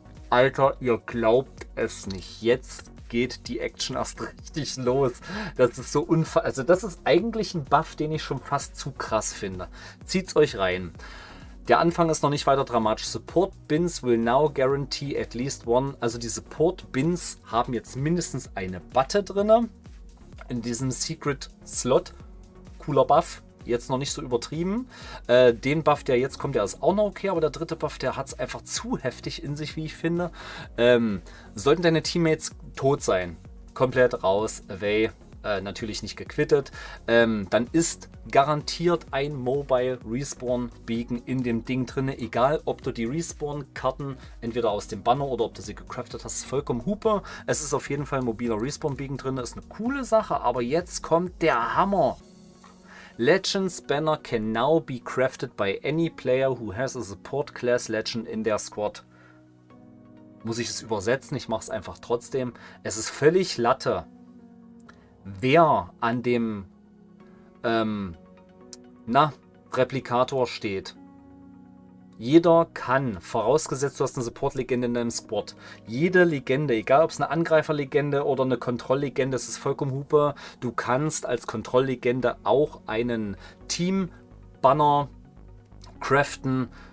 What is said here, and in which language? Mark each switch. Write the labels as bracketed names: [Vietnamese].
[German] Alter, ihr glaubt es nicht. Jetzt geht die Action erst richtig los. Das ist so unfassbar. Also das ist eigentlich ein Buff, den ich schon fast zu krass finde. Zieht's euch rein. Der Anfang ist noch nicht weiter dramatisch. [English] Support Bins will now guarantee at least one. [German] Also die Support Bins haben jetzt mindestens eine Batte drin. In diesem Secret Slot. Cooler Buff. Jetzt noch nicht so übertrieben. Den Buff, der jetzt kommt, der ist auch noch okay. Aber der dritte Buff, der hat es einfach zu heftig in sich, wie ich finde. Sollten deine Teammates tot sein. Komplett raus. Away. Natürlich nicht gequittet, dann ist garantiert ein Mobile Respawn Beacon in dem Ding drin, egal ob du die Respawn Karten entweder aus dem Banner oder ob du sie gecraftet hast, vollkommen hupe. Es ist auf jeden Fall ein mobiler Respawn Beacon drin, ist eine coole Sache, aber jetzt kommt der Hammer. [English] Legends Banner can now be crafted by any player who has a Support Class Legend in their squad. [German] Muss ich es übersetzen? Ich mache es einfach trotzdem. Es ist völlig Latte. Wer an dem Replikator steht. Jeder kann, vorausgesetzt du hast eine Support-Legende in deinem Squad, jede Legende, egal ob es eine Angreifer-Legende oder eine Kontroll-Legende, es ist vollkommen hupe, du kannst als Kontroll-Legende auch einen Team-Banner craften.